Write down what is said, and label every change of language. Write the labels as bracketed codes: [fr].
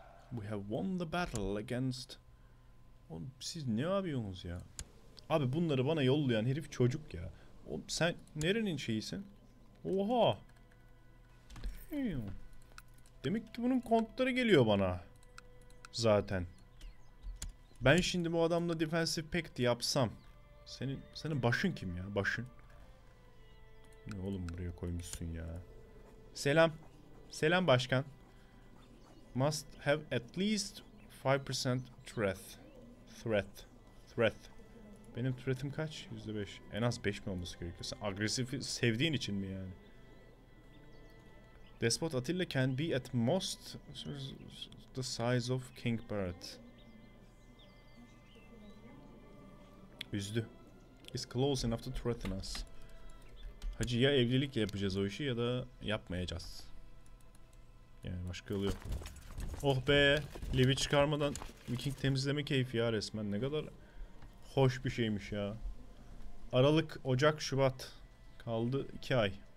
[en] We have won the battle against... [tr] Oğlum siz ne yapıyorsunuz ya? Abi bunları bana yollayan herif çocuk ya. Oğlum sen nerenin şeyisin? Oha. Damn. Demek ki bunun kontları geliyor bana. Zaten. Ben şimdi bu adamla defensive pact yapsam... Senin başın kim ya? Başın. Ne oğlum buraya koymuşsun ya? Selam. Selam başkan. [en] Must have at least 5% threat. [tr] Threat. Threat. Benim threat'im kaç? %5. En az 5 mi olması gerekiyor? Sen agresif sevdiğin için mi yani? [en] Despot Attila can be at most the size of King Barrett. [tr] Üzdü. [en] Is close enough to threaten us. [tr] Hacı ya evlilikle yapacağız o işi ya da yapmayacağız. Yani başka yolu yok. Oh be! Levi çıkarmadan Viking temizleme keyfi ya resmen. Ne kadar hoş bir şeymiş ya. Aralık, Ocak, Şubat. Kaldı 2 ay.